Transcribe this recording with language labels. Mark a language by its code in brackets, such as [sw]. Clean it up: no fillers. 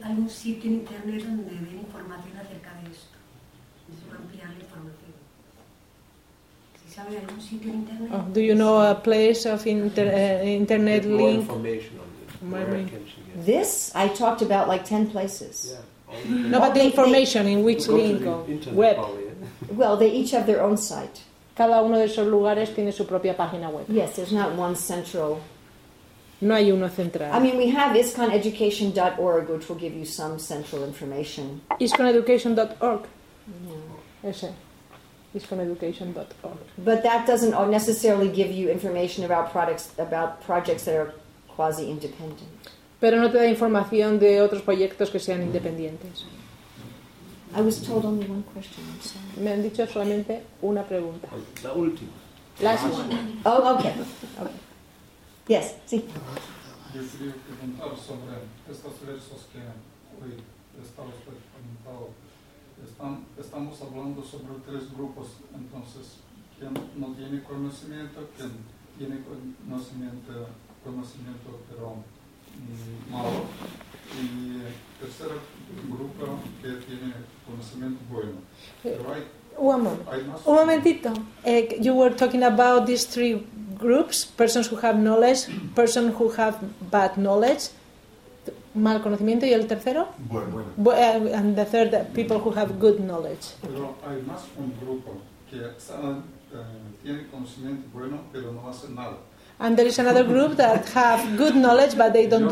[es] hay un sitio en internet donde ven información acerca de esto. Necesito ampliar la información. ¿Sabe algún sitio en internet? [en] Do you know a place of internet link? More information on this. Where can she get? This, I talked about like 10 places. Yeah. No, but the information, in which link? Web. Well, they each have their own site. [es] Cada uno de esos lugares tiene su propia página web. [en] Yes, there's not one central. [es] No hay uno central. [en] I mean, we have isconeducation.org, which will give you some central information. [es] Isconeducation.org. Ese. Isconeducation.org. [en] But that doesn't necessarily give you information about products, about projects that are quasi independent. [es] Pero no te da información de otros proyectos que sean independientes. [en] I was told only one question. I'm sorry. [es] Me han dicho solamente una pregunta. La última. [en] Last one. Oh, okay. Yes, sí. [es] Quería preguntar sobre estos versos que hoy estamos comentando. Estamos hablando sobre tres grupos. Entonces, ¿quién no tiene conocimiento? ¿Quién tiene conocimiento pero malo? Y tercer grupo que tiene conocimiento bueno. Un momentito. [en] You were talking about these three groups: persons who have knowledge, persons who have bad knowledge, [es] mal conocimiento, y el tercero. Bueno. [en] And the third, people who have good knowledge. [es] Pero hay más un grupo que tiene conocimiento bueno, pero no hace nada. [en] And there is another group that have good knowledge, but they don't